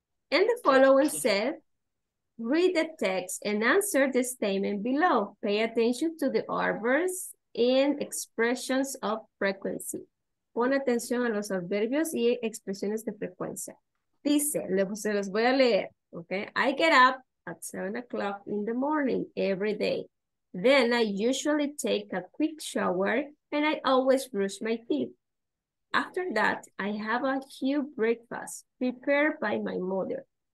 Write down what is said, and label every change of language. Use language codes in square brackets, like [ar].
[en] And the following said, read the text and answer the statement below. Pay attention to the adverbs and expressions of frequency. [es] Pon atención a los adverbios y expresiones de frecuencia. Dice, se los voy a leer, okay? [en] I get up at 7 o'clock in the morning every day. Then I usually take a quick shower and I always brush my teeth. After that, I have a huge breakfast prepared by my mother.